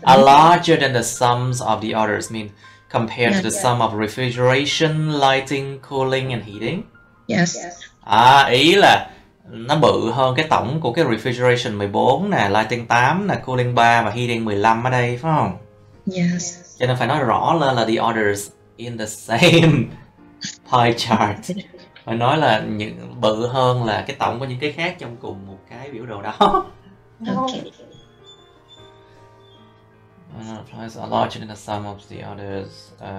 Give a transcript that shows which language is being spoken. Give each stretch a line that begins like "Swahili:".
Vietnamese: cái phần
English: larger than the sums of the others, mean compared to the sum of refrigeration, lighting, cooling and heating. Yes.
Vietnamese: À, ý là nó bự hơn cái tổng của cái refrigeration 14 nè, lighting 8 nè, cooling 3 và heating 15 ở đây phải không?
English: Yes.
Vietnamese: Cho nên phải nói rõ lên là
English: the others in the same pie chart.
Vietnamese: Phải nói là những bự hơn là cái tổng của những cái khác trong cùng một cái biểu đồ đó.
English: Okay. Okay. Applies are larger than the sum of the others.